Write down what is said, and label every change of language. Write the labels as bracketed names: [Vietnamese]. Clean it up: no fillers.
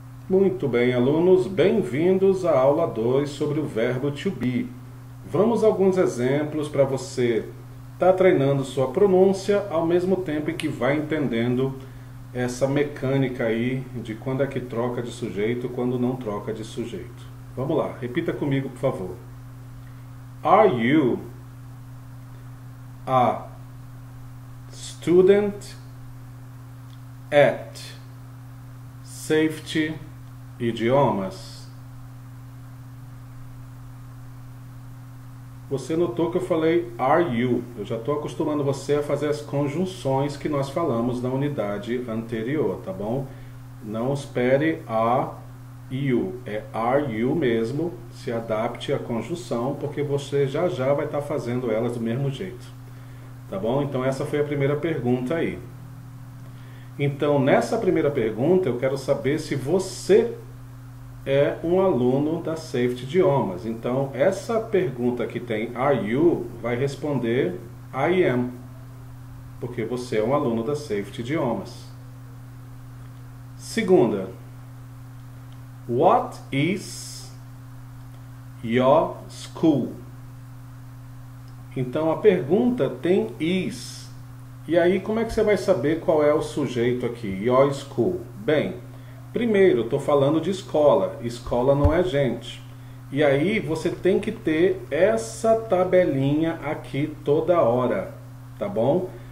[Portuguese] Muito bem, alunos, bem-vindos à aula 2 sobre o verbo to be. Vamos a alguns exemplos para você estar treinando sua pronúncia ao mesmo tempo em que vai entendendo essa mecânica aí de quando é que troca de sujeito, quando não troca de sujeito. Vamos lá, repita comigo, por favor. [English] Are you a student at Safety Idiomas? [Portuguese] Você notou que eu falei [English] are you? [Portuguese] Eu já estou acostumando você a fazer as conjunções que nós falamos na unidade anterior, tá bom? Não espere [English] a you, [Portuguese] é [English] are you [Portuguese] mesmo. Se adapte à conjunção, porque você já já vai estar fazendo elas do mesmo jeito, tá bom? Então, essa foi a primeira pergunta aí. Então, nessa primeira pergunta, eu quero saber se você é um aluno da Safety Idiomas. Então, essa pergunta que tem [English] Are you? [Portuguese] Vai responder [English] I am, [Portuguese] porque você é um aluno da Safety Idiomas. [English] Segunda, What is your school? [Portuguese] Então, a pergunta tem is. E aí, como é que você vai saber qual é o sujeito aqui? [English] Your school. [Portuguese] Bem, primeiro, estou falando de escola. Escola não é gente. E aí, você tem que ter essa tabelinha aqui toda hora, tá bom?